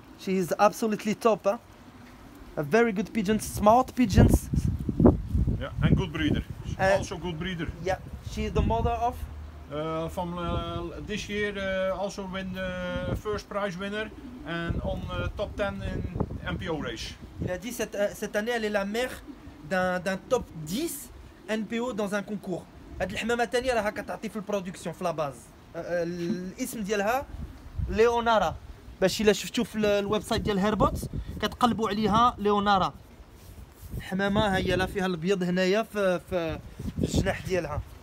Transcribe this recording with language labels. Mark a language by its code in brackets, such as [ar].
[en] She is absolutely top, eh? A very good pigeon, smart pigeons. Yeah, and good breeder. Also good breeder. Yeah, she is the mother of? From this year, also win the first prize winner and on top 10 in NPO race. [fr] Il a dit cette année, elle est la mère d'un top 10 NPO dans un concours. [ar] هذه الحمامة الثانية راها كتعطي في البرودكسيون في لاباز الاسم ديالها ليونارا باش الا شفتوا في الويب سايت ديال هيربوت كتقلبوا عليها ليونارا الحمامة ها هي لا فيها الابيض هنايا في الجناح ديالها